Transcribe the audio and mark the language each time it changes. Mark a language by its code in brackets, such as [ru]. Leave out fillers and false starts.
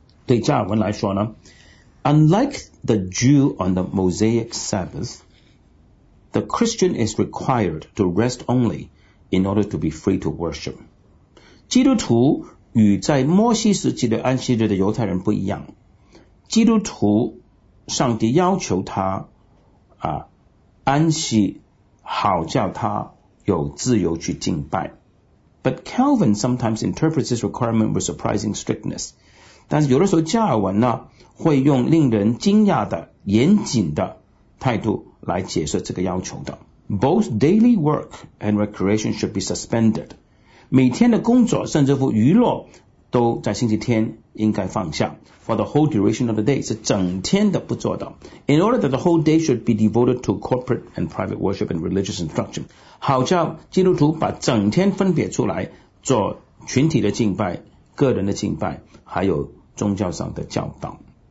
[zh] 对加尔文来说呢 [en] ,Unlike the Jew on the Mosaic Sabbath, the Christian is required to rest only,in order to be free to worship. [zh] 基督徒与在摩西时期的安息日的犹太人不一样，基督徒上帝要求他啊，安息好叫他有自由去敬拜。 [en] But Calvin sometimes interprets this requirement with surprising strictness. [zh] 但是有的时候加尔文呢会用令人惊讶的严谨的态度来解释这个要求的。 [en] Both daily work and recreation should be suspended. [zh] 每天的工作甚至乎娱乐都在星期天应该放下。 [en] For the whole duration of the day, [zh] 是整天的不做的。 [en] In order that the whole day should be devoted to corporate and private worship and religious instruction. [zh] 好叫基督徒把整天分别出来做群体的敬拜、个人的敬拜，还有宗教上的教导。